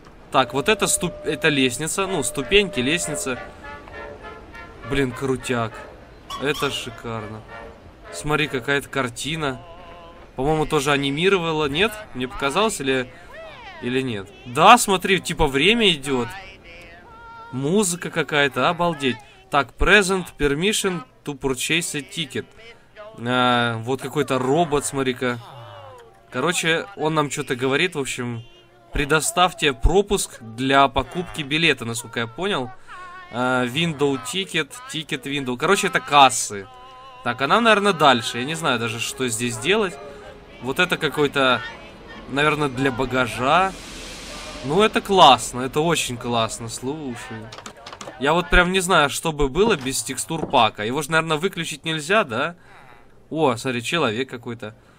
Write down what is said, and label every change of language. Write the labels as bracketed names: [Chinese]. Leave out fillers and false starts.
[Russian] Так, вот это это лестница. Ну, ступеньки, лестница. Блин, крутяк. Это шикарно. Смотри, какая-то картина. По-моему, тоже анимировала, нет? Мне показалось или нет? Да, смотри, типа время идет. Музыка какая-то, обалдеть. Так, [English] present permission to purchase a ticket. [Russian] Вот какой-то робот, смотри-ка. Короче, он нам что-то говорит, в общем, предоставьте пропуск для покупки билета, насколько я понял. [English] Window ticket, ticket window. [Russian] Короче, это кассы. Так, а нам, наверное, дальше. Я не знаю даже, что здесь делать. Вот это какой-то, наверное, для багажа. Ну, это классно, это очень классно, слушай. Я вот прям не знаю, что бы было без текстур пака. Его же, наверное, выключить нельзя, да? О, смотри, человек какой-то.